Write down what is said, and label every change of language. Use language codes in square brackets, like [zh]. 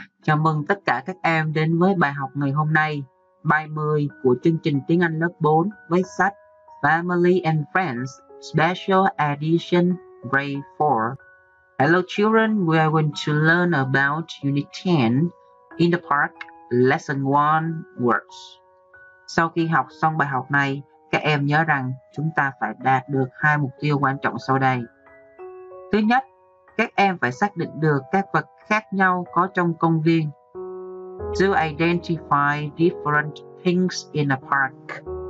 [vi] Chào mừng tất cả các em đến với bài học ngày hôm nay, bài 10 của chương trình tiếng Anh lớp 4 với sách Family and Friends Special Edition Grade 4. [en] Hello children, we are going to learn about Unit 10 in the Park Lesson 1 Words. [vi] Sau khi học xong bài học này, các em nhớ rằng chúng ta phải đạt được hai mục tiêu quan trọng sau đây. Thứ nhất, các em phải xác định được các vật khác nhau có trong công viên. [en] To identify different things in a park.